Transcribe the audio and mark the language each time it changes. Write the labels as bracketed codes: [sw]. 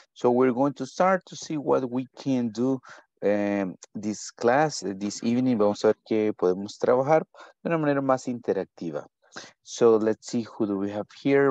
[en] So we're going to start to see what we can do this class, this evening. [es] Vamos a ver qué podemos trabajar de una manera más interactiva. [en] So let's see who do we have here.